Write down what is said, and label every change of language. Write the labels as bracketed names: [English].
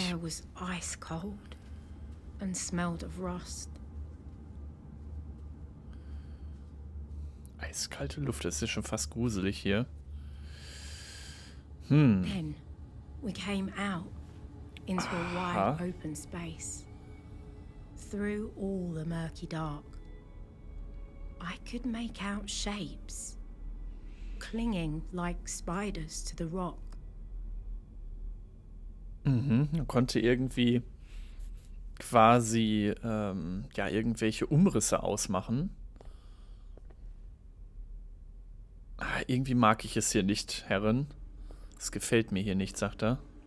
[English] The air was ice cold and smelled of rust. [German] Eiskalte Luft, das ist schon fast gruselig hier. [English] Then we came out. into a wide open space. Through all the murky dark, I could make out shapes, clinging like spiders to the rock. [German] Man konnte irgendwie quasi ja irgendwelche Umrisse ausmachen. Irgendwie mag ich es hier nicht, Herrin. Es gefällt mir hier nicht, sagt er.